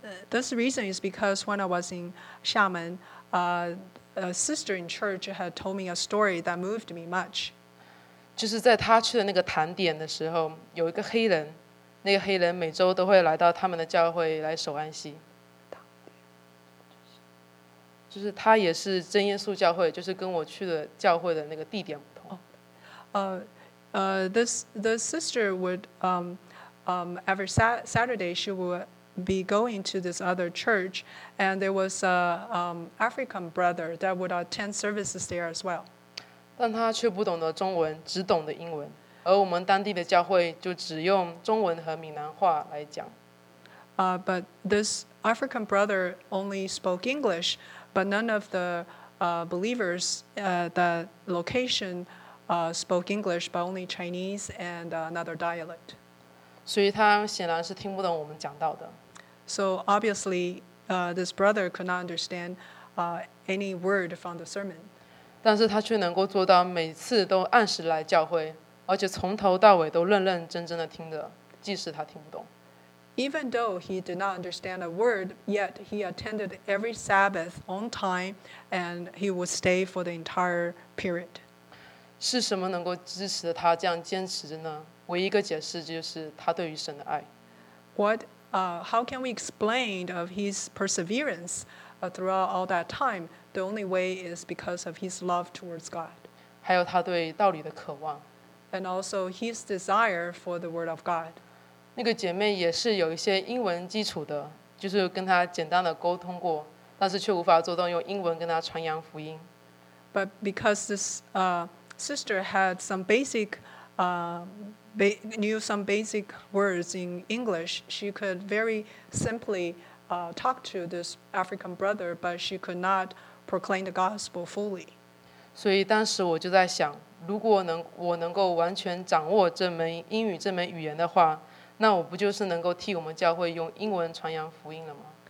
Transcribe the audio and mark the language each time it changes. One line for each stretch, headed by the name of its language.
English: This reason is because when I was in 厦门, a sister in church had told me a story that moved me much.
Chinese: 就是在她去的那个坛点的时候，有一个黑人，那个黑人每周都会来到他们的教会来守安息。就是他也是真耶稣教会，就是跟我去的教会的那个地点不同。
English: The sister would every Saturday she would be going to this other church, and there was a African brother that would attend services there as well.
Chinese: 但他却不懂得中文，只懂得英文，而我们当地的教会就只用中文和闽南话来讲。
English: But this African brother only spoke English. But none of the believers, the location spoke English, but only Chinese and another dialect.
Chinese: 所以他显然是听不懂我们讲到的。
English: So obviously, this brother could not understand any word from the sermon.
Chinese: 但是他却能够做到每次都按时来教会，而且从头到尾都认认真真的听着，即使他听不懂。
English: Even though he did not understand a word, yet he attended every Sabbath on time, and he would stay for the entire period.
Chinese: 是什么能够支持他这样坚持着呢？唯一一个解释就是他对于神的爱。
English: What, how can we explain of his perseverance throughout all that time? The only way is because of his love towards God.
Chinese: 还有他对道理的渴望。
English: And also his desire for the word of God.
Chinese: 那个姐妹也是有一些英文基础的，就是跟他简单的沟通过，但是却无法做到用英文跟他传扬福音。
English: But because this sister had some basic, knew some basic words in English, she could very simply talk to this African brother, but she could not proclaim the gospel fully.
Chinese: 所以当时我就在想，如果我能够完全掌握这门英语这门语言的话，那我不就是能够替我们教会用英文传扬福音了吗？